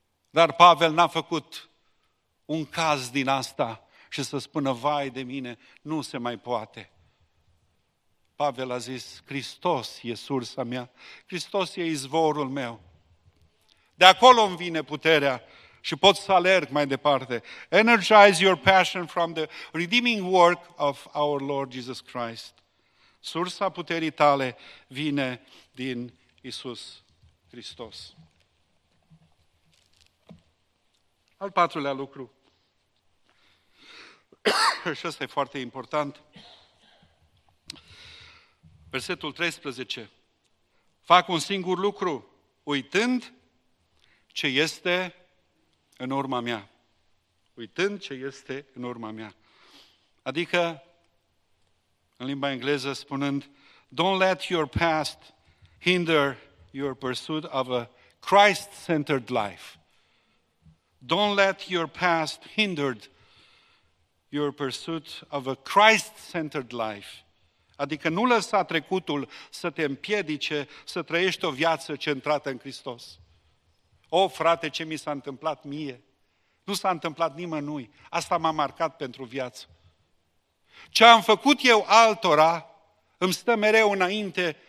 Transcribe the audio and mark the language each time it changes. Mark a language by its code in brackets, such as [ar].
[ro] Dar Pavel n-a făcut un caz din asta și să spună: vai de mine, nu se mai poate. Pavel a zis: Hristos e sursa mea, Hristos e izvorul meu. De acolo îmi vine puterea și pot să alerg mai departe. [en] Energize your passion from the redeeming work of our Lord Jesus Christ. [ro] Sursa puterii tale vine din Iisus Hristos. Al patrulea lucru, și ăsta e foarte important, versetul 13, fac un singur lucru, uitând ce este în urma mea. Uitând ce este în urma mea. Adică, în limba engleză spunând: [en] don't let your past hinder your pursuit of a Christ-centered life. Don't let your past hinder your pursuit of a Christ-centered life. [ro] Adică nu lăsa trecutul să te împiedice să trăiești o viață centrată în Hristos. O, frate, ce mi s-a întâmplat mie? Nu s-a întâmplat nimănui. Asta m-a marcat pentru viață. Ce am făcut eu altora îmi stă mereu înainte.